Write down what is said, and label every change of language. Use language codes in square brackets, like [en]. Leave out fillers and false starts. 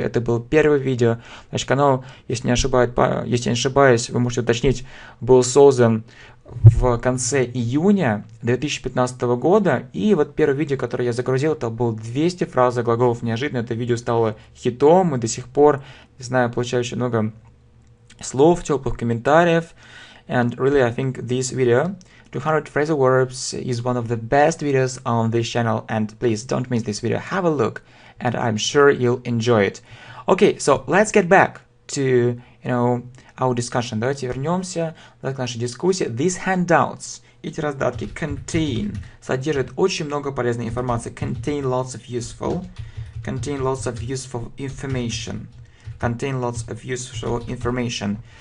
[ru] Это было первое видео. Значит, канал, если не ошибаюсь, вы можете уточнить, был создан в конце июня 2015 года. И вот первое видео, которое я загрузил, это было 200 фраз глаголов. Неожиданно это видео стало хитом, и до сих пор, не знаю, получаю очень много слов, теплых комментариев. [en] And really, I think this video, 200 phrasal verbs, is one of the best videos on this channel, and please don't miss this video. Have a look, and I'm sure you'll enjoy it. Okay, so let's get back to, you know, our discussion. [ru] Давайте вернемся к нашей дискуссии. [en] These handouts, [ru] эти раздатки, [en] contain, [ru] содержат очень много полезной информации. [en] Contain lots of useful information.